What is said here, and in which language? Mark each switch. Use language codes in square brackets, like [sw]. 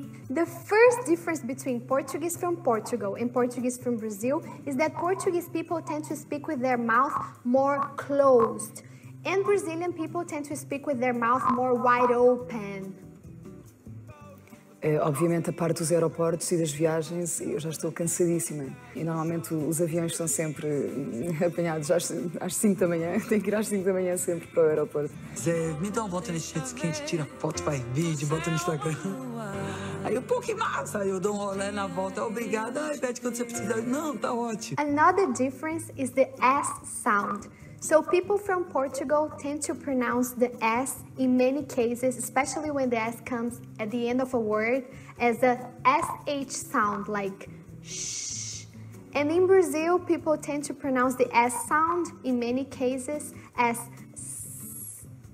[en] The first difference between Portuguese from Portugal and Portuguese from Brazil is that Portuguese people tend to speak with their mouth more closed, and Brazilian people tend to speak with their mouth more wide open. [pt] É, obviamente, a parte dos aeroportos e das viagens, eu já estou cansadíssima. E normalmente os aviões são sempre apanhados às 5 da manhã. Tenho que ir às 5 da manhã sempre para o aeroporto. Zé, me dá uma volta nas redes quentes, tira foto, faz vídeo, bota no Instagram. Aí eu, pô, que massa! Aí eu dou um rolê na volta, obrigada, ai, pede quando você precisar. Não, tá ótimo. [en] Another difference is the S sound. So people from Portugal tend to pronounce the S in many cases, especially when the S comes at the end of a word, as a SH sound, like shh. And in Brazil, people tend to pronounce the S sound in many cases as s.